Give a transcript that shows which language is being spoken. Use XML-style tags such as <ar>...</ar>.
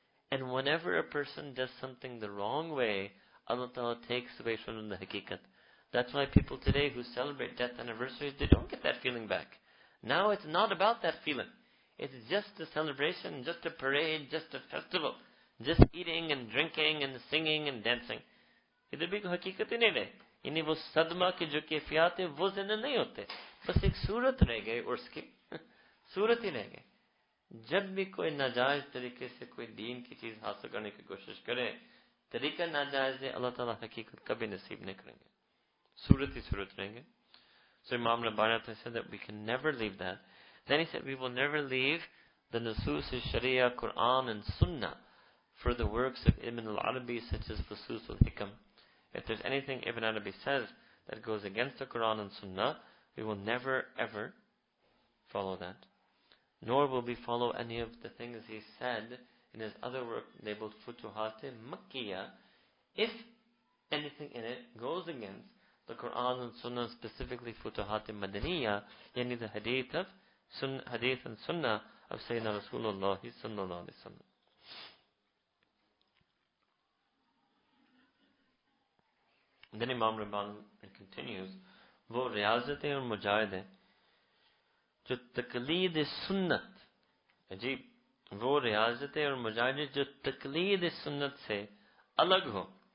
<en>And whenever a person does something the wrong way, Allah Ta'ala takes away from them the haqiqat. That's why people today who celebrate death anniversaries, they don't get that feeling back. Now it's not about that feeling. It's just a celebration, just a parade, just a festival. Just eating and drinking and singing and dancing. It's a big haqiqat in a</en> <ur>یعنی وہ صدمہ کے جو کیفیات ہیں وہ زندہ نہیں ہوتے بس ایک صورت رہ گئے اور اس کی صورت ہی رہ گئے جب بھی کوئی ناجائز طریقے سے کوئی دین کی چیز حاصل کرنے کی کوشش کرے طریقہ ناجائز ہے اللہ تعالیٰ حقیقت کبھی نصیب نہیں کریں گے صورت ہی صورت رہیں گے</ur> <en>so Imam Rabbani نے said that we can never leave that then he said we will never leave the نصوص الشریعہ Quran and Sunnah for the works of Ibn Arabi such as Fusus al Hikam If there's anything Ibn Arabi says that goes against the Quran and Sunnah, we will never, ever follow that. Nor will we follow any of the things he said in his other work labeled Futuhat Makkiyah, if anything in it goes against the Quran and Sunnah, specifically Futuhat Madaniyah, yani the hadith of hadith and Sunnah of Sayyidina Rasulullah sallallahu alaihi wasallam.</en> <ur>Then Imam Rabban continues, وہ ریاضتیں اور مجاہدیں جو تقلید سنت عجیب وہ ریاضتیں اور مجاہدیں جو تقلید سنت سے الگ ہو</ur>